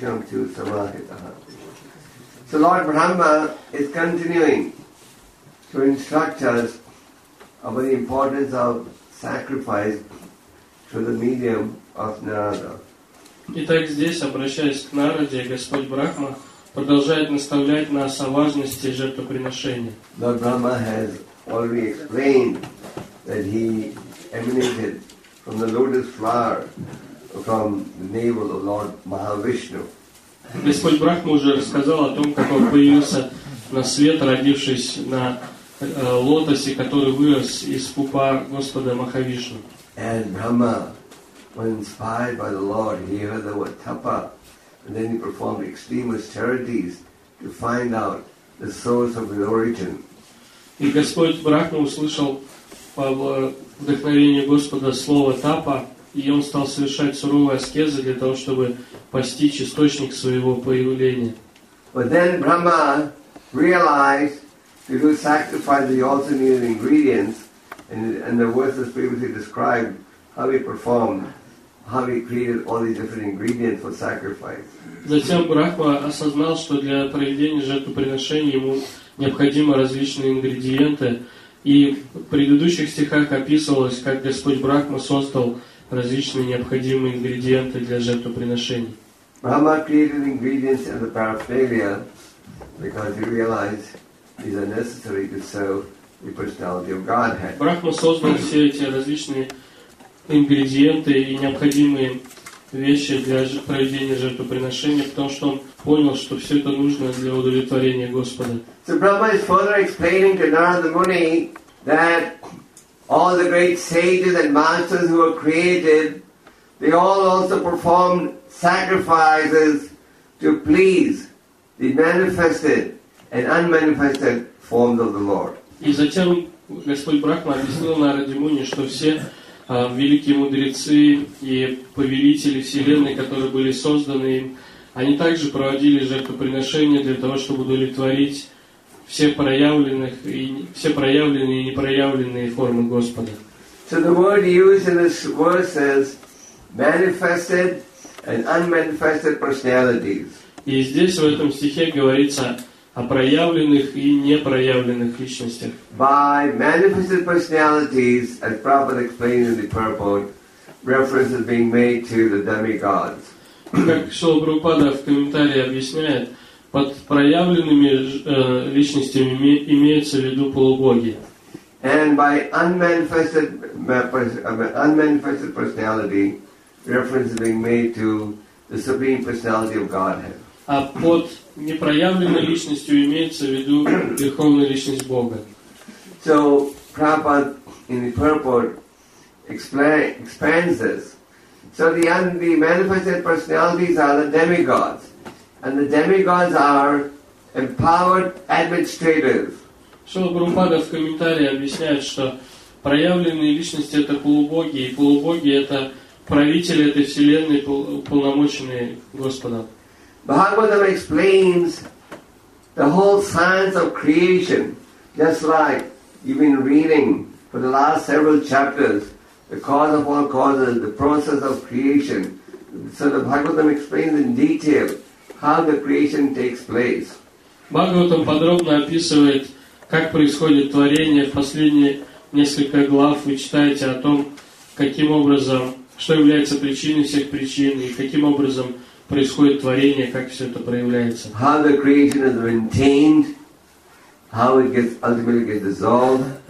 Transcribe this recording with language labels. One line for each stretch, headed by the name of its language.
English: So Lord Brahma is continuing to instruct us about the importance of sacrifice through the medium of Narada.
Russian: Итак, здесь, обращаясь к Нараде, Господь Брахма продолжает наставлять нас о важности жертвоприношения.
English: Lord Brahma has already explained that he emanated from the lotus flower from the navel of Lord Mahavishnu.
Russian: Господь Брахма уже рассказал о том, как он появился на свет, родившись на лотосе, который вырос из пупа Господа Махавишну.
English: And Brahma was inspired by the Lord. He heard the word tapa. And then he performed extremist charities to find out the source of his origin.
Russian: И Господь Брахма услышал по вдохновению Господа слово тапа, и он стал совершать суровые аскезы для того, чтобы постичь источник своего появления.
English: But then Brahma realized to do sacrifice the also needed ingredients, and the verses previously described how he performed, how he created all these different ingredients for sacrifice.
Russian: Затем Брахма осознал, что для проведения жертвоприношения ему необходимы различные ингредиенты. И в предыдущих стихах описывалось, как Господь Брахма создал различные необходимые ингредиенты для жертвоприношений.
English: Brahma created ingredients as a paraphernalia because he realized these are necessary to serve the personality of Godhead.
Russian: Брахма создал все эти различные ингредиенты и необходимые вещи для проведения жертвоприношения, потому что он понял, что все это нужно для удовлетворения Господа.
English: So Brahma is further explaining to Narada Muni that all the great sages and masters who were created, they all also performed sacrifices to please the manifested and unmanifested forms of the Lord.
Russian: И затем Господь Брахма объяснил Нараде Муни, что все великие мудрецы и повелители Вселенной, которые были созданы им, они также проводили жертвоприношения для того, чтобы удовлетворить все проявленные и непроявленные формы Господа.
English: So the word used in this verse is manifested and unmanifested personalities.
Russian: И здесь в этом стихе говорится о проявленных и непроявленных личностях.
English: By manifested personalities, as Prabhupada explained in the purport, reference is being made to the demigods.
Russian: Как Шрила Прабхупада в комментарии объясняет, под проявленными личностями имеются в виду полубоги.
English: And by unmanifested personality, reference is being made to the Supreme Personality of Godhead.
Russian: А под непроявленной личностью имеется в виду Верховная Личность Бога.
English: So, Prabhupada in the purport expands this. So the manifested personalities are the demigods. And the demigods are empowered administrators.
Russian: Шрила Прабхупада в комментарии объясняет, что проявленные личности — это полубоги, и полубоги — это правители этой вселенной, уполномоченные Господом.
English: Bhagavatam explains the whole science of creation, just like you've been reading for the last several chapters, the cause of all causes, the process of creation. So the Bhagavatam explains in detail how the creation takes place.
Russian: Bhagavatam подробно описывает, как происходит творение в последние несколько глав. Вы читаете о том, каким образом, что является причиной всех причин и каким образом происходит творение, как все это проявляется.
English: How the creation is maintained, how it gets ultimately gets dissolved.